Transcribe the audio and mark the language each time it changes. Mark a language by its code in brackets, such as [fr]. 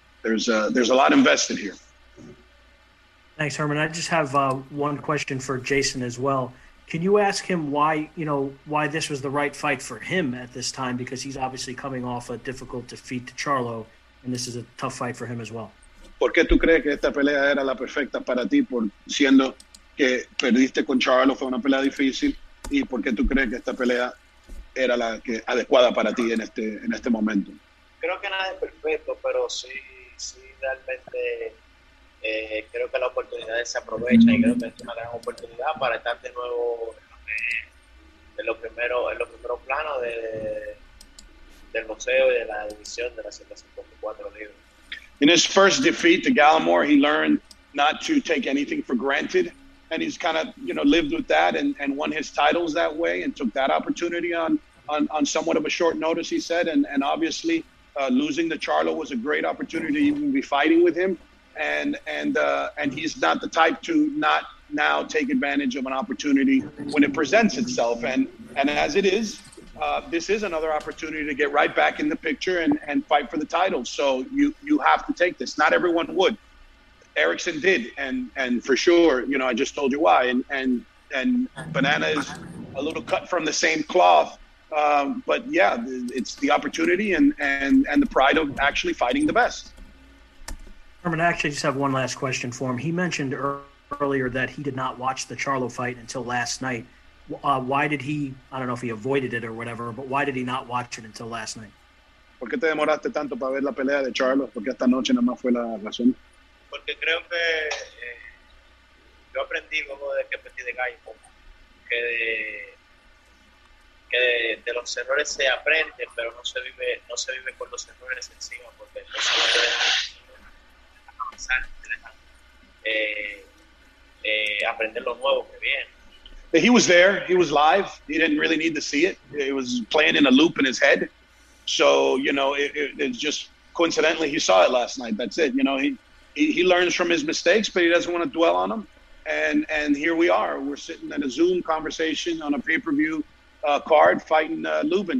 [en] There's a lot invested here. Thanks, Herman. I just have one question for Jason as well. Can you ask him why this was the right fight for him at this time? Because he's obviously coming off a difficult defeat to Charlo, and this is a tough fight for him as well. [es] ¿Por qué tú crees que esta pelea era la perfecta para ti, por siendo que perdiste con Charlo, fue una pelea difícil, y por qué tú crees que esta pelea era la que adecuada para ti en este momento? Creo que nada es perfecto, pero sí realmente creo que las oportunidades se aprovechan, y creo que es una gran oportunidad para estar de nuevo en los primeros planos del boxeo y de la división de las 154 libras. [en] In his first defeat to Gallimore, he learned not to take anything for granted, and he's kind of lived with that and won his titles that way, and took that opportunity on somewhat of a short notice, he said, and obviously. Losing to Charlo was a great opportunity to even be fighting with him, and he's not the type to not now take advantage of an opportunity when it presents itself. And as it is, this is another opportunity to get right back in the picture and fight for the title. So you have to take this. Not everyone would. Erickson did, and for sure, you know, I just told you why. And Banana is a little cut from the same cloth. But yeah, it's the opportunity and the pride of actually fighting the best. Herman, I actually just have one last question for him. He mentioned earlier that he did not watch the Charlo fight until last night. Why did he, I don't know if he avoided it or whatever, but why did he not watch it until last night? [es] ¿Por qué te demoraste tanto para ver la pelea de Charlo? Porque esta noche nada más fue la razón. Porque creo que yo aprendí como de que aprendí de Gallo, que de los errores se aprende, pero no se vive con los errores encima, porque no se vive aprender lo nuevo que viene. [en] He was there, he was live, he didn't really need to see it. It was playing in a loop in his head. So, you know, it's just coincidentally he saw it last night. That's it, you know, he learns from his mistakes, but he doesn't want to dwell on them. And here we are. We're sitting in a Zoom conversation on a pay-per-view card fighting Lubin.